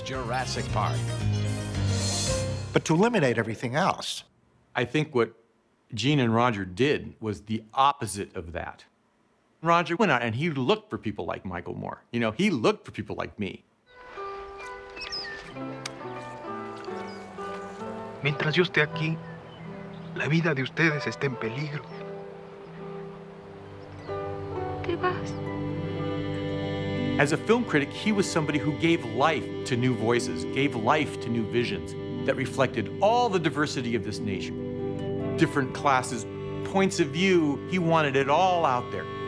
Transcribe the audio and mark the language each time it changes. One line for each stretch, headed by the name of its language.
English: Jurassic Park, but to eliminate everything else. I think what Gene and Roger did was the opposite of that. Roger went out and he looked for people like Michael Moore. You know, he looked for people like me.
Spanish: Mientras yo esté aquí, la vida de ustedes está en peligro. ¿Te vas?
English: As a film critic, he was somebody who gave life to new voices, gave life to new visions that reflected all the diversity of this nation. Different classes, points of view, he wanted it all out there.